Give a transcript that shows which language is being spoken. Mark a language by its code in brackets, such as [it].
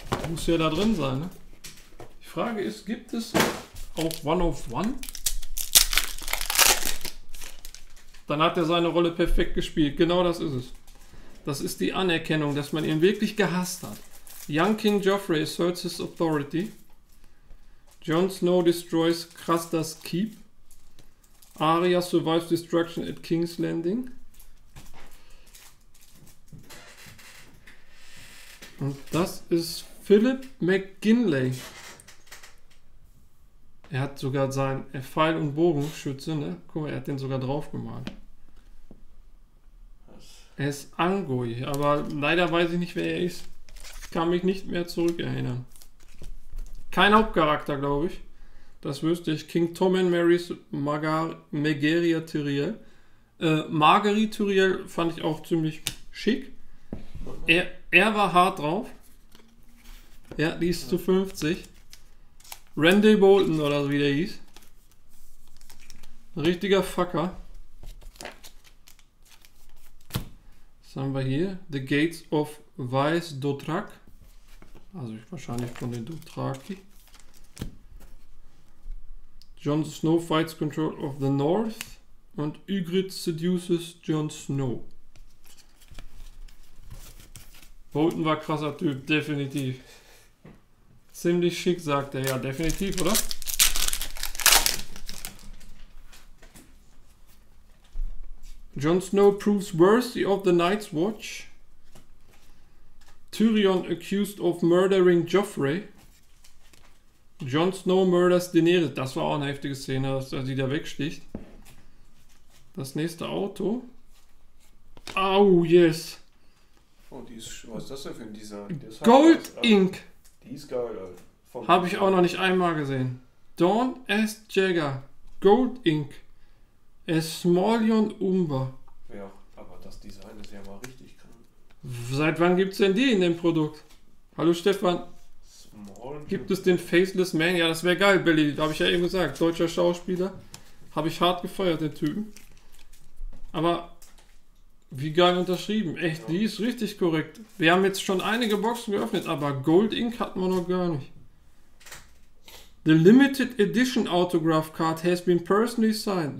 [de] Muss ja da drin sein, ne? Die Frage ist, gibt es auch One of One? Dann hat er seine Rolle perfekt gespielt. Genau das ist es. Das ist die Anerkennung, dass man ihn wirklich gehasst hat. [en] Young King Joffrey asserts his authority. Jon Snow destroys Craster's Keep. Arya survives destruction at King's Landing. [de] Und das ist Philip McGinley. Er hat sogar seinen Pfeil- und Bogenschütze, ne? Guck mal, er hat den sogar draufgemalt. Er ist Angoy, aber leider weiß ich nicht, wer er ist. Ich kann mich nicht mehr zurückerinnern. Kein Hauptcharakter, glaube ich. Das wüsste ich. [en] King Tommen marries Margaery Tyrell. [de] Margaery Tyrell fand ich auch ziemlich schick. Er war hart drauf. Ja, die ist ja. Zu 50. Randy Bolton, oder wie der hieß. Ein richtiger Fucker. Haben wir hier The Gates of Vice Dothrak. Also wahrscheinlich von den Dothraki. [en] Jon Snow fights Control of the North. [de] Und [en] Ygritte seduces Jon Snow. [de] Bolton war krasser Typ, definitiv. Ziemlich schick, sagt er. Ja, definitiv, oder? [en] Jon Snow proves worthy of the Night's Watch. Tyrion accused of murdering Joffrey. Jon Snow murders Daenerys. [de] Das war auch eine heftige Szene, dass er sie da wegsticht. Das nächste Auto. Au, oh, yes. Oh, die ist, was ist das denn für ein Design? [en] Gold Ink. [de] Die ist geil, Alter. Habe ich auch noch nicht einmal gesehen. Dawn S. Jagger. Gold Ink. Esmolion Umber. Ja, aber das Design ist ja mal richtig krank. Seit wann gibt es denn die in dem Produkt? Hallo Stefan. Gibt es den Faceless Man? Ja, das wäre geil, Billy. Habe ich ja eben gesagt. Deutscher Schauspieler. Habe ich hart gefeuert, den Typen. Aber wie geil unterschrieben. Echt, ja. Die ist richtig korrekt. Wir haben jetzt schon einige Boxen geöffnet, aber Gold Ink hatten wir noch gar nicht. [en] The Limited Edition Autograph Card has been personally signed.